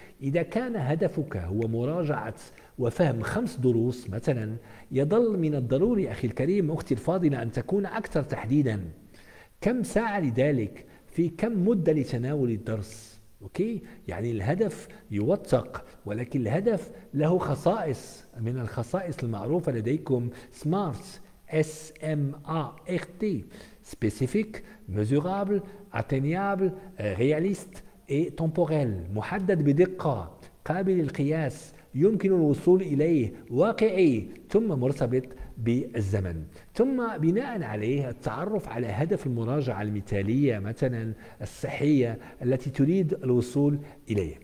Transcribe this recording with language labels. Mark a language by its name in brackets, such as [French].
[Arabic] إذا كان هدفك هو مراجعة وفهم 5 دروس مثلا، يظل من الضروري أخي الكريم أختي الفاضلة أن تكون أكثر تحديدا. كم ساعة لذلك؟ في كم مدة لتناول الدرس؟ أوكي؟ يعني الهدف يوثق، ولكن الهدف له خصائص، من الخصائص المعروفة لديكم سمارت، SMART، [French] spécifique, mesurable, atteignable, réaliste et temporel. [Arabic] محدد بدقة، قابل للقياس، يمكن الوصول إليه، واقعي، ثم مرتبط بالزمن. ثم بناء عليه التعرف على هدف المراجعة المثالية مثلا الصحية التي تريد الوصول إليه.